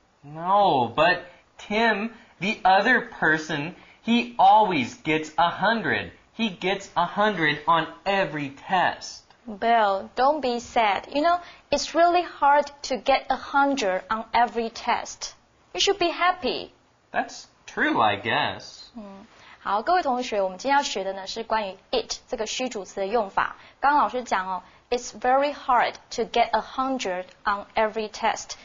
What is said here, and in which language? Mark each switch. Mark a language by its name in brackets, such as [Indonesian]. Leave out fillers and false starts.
[English] No, but Tim, the other person, he always gets 100. He gets 100 on every test. Bill, don't be sad. You know, it's really hard to get 100 on every test. You should be happy. That's true, I guess. [Chinese] 好，各位同学，我们今天要学的呢是关于 it 这个虚主词的用法。刚刚老师讲哦 [English] ，it's very hard to get 100 on every test.